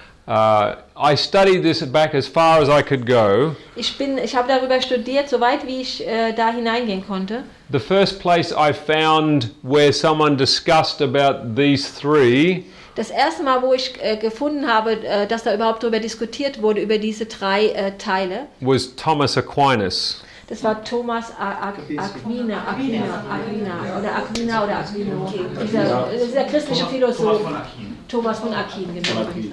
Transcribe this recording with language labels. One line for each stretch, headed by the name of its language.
English: I studied this back as far as I could go.
German: Ich habe darüber studiert, so weit wie ich da hineingehen konnte.
English: The first place I found where someone discussed about these three.
German: Das erste Mal, wo ich gefunden habe, dass da überhaupt darüber diskutiert wurde über diese drei Teile,
English: was Thomas Aquinas.
German: Das war Thomas Aquinas, dieser christliche Philosoph, Thomas von Aquin, genau.